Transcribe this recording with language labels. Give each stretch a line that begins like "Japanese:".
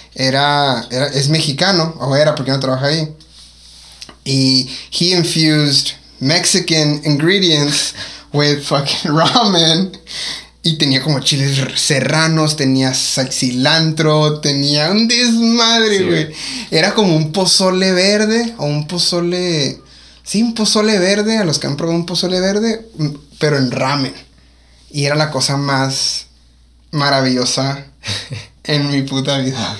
Spanish: Es mexicano, o era, porque no trabaja ahí.
English: Y he infused Mexican ingredients with fucking ramen.
Spanish: Y tenía como chiles serranos, tenía cilantro, tenía un desmadre, güey. Sí, era como un pozole verde, o un pozole... Sí, un pozole verde, a los que han probado un pozole verde, pero en ramen. Y era la cosa más maravillosa... En mi puta vida.